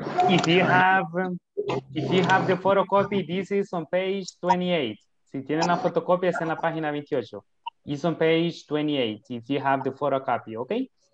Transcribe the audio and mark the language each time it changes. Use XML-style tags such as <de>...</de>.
<en>If you have the photocopy, this is on page 28.</en> <es>Si tienen la fotocopia, es en la página 28.</es> <en>It's on page 28, if you have the photocopy, okay?</en>